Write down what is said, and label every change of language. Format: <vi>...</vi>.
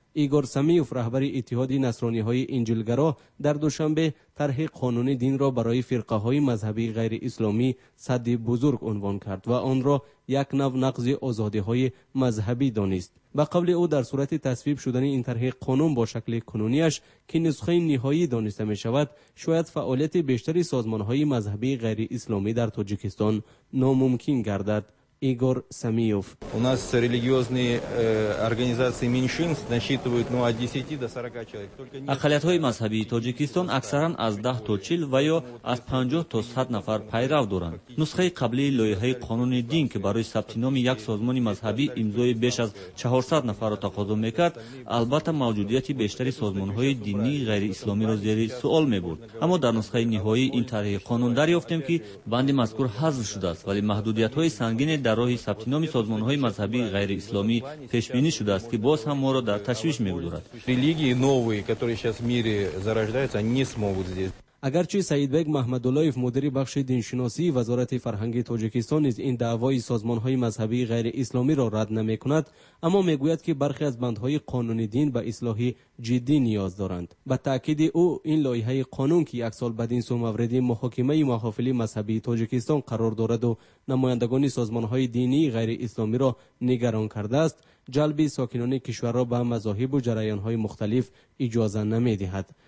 <tg>игор Самиев, раҳбари иттиҳоди насрониҳои инҷилгаро, дар душанбе тарҳи қонуни динро барои фирқаҳои мазҳабии ғайриисломӣ садди бузург унвон кард ва онро як нав нақзи озодиҳои мазҳабӣ донист. ба қавли ӯ, дар сурати тасвиб шудани ин тарҳи қонун бо шакли кунуниаш, ки нусхаи ниҳоӣ дониста мешавад, шояд фаъолияти бештари созмонҳои мазҳабии ғайриисломӣ дар Тоҷикистон номумкин гардад. игор Самиев.</tg> <ru>у нас религиозные организации меньшинств насчитывают от 10 до 40 человек.</ru> <tg>ақлиятҳои мазҳабии Тоҷикистон аксаран аз 10 то 40 ва ё аз 50 то 100 нафар пайрав доранд. нусхаи қаблии лоиҳаи қонуни дин, ки барои сабти номи як созмони мазҳабӣ имзои беш аз 400 нафарро тақозо мекард, албатта мавҷудияти бештари созмонҳои динии ғайриисломиро зери суол мебурд. аммо дар нусхаи ниҳоии ин тарҳи қонун дарёфтем, ки банди мазкур ҳазв шудааст, вале маҳдудиятҳои сангин дар роҳи сабти номи созмонҳои мазҳабии ғайриисломӣ пешбинӣ шудааст, ки боз ҳам моро дар ташвиш мегузорад.</tg> <ru>религии новые, которые сейчас в мире зарождаются, они не смогут здесь.</ru> <tg>агарчи Саидбек Маҳмадуллоев, мудири бахши диншиносии Вазорати фарҳанги Тоҷикистон, низ ин даъвои созмонҳои мазҳабии ғайриисломиро рад намекунад, аммо мегӯяд, ки бархи аз бандҳои қонуни дин ба ислоҳи ҷиддӣ ниёз доранд. ба таъкиди ӯ, ин лоиҳаи қонун, ки як сол бад ин сӯ мавриди муҳокимаи маҳофили мазҳабии Тоҷикистон қарор дораду намояндагони созмонҳои динии ғайриисломиро нигарон кардааст, ҷалби сокинони кишварро ба мазоҳибу ҷараёнҳои мухталиф иҷоза намедиҳад.</tg>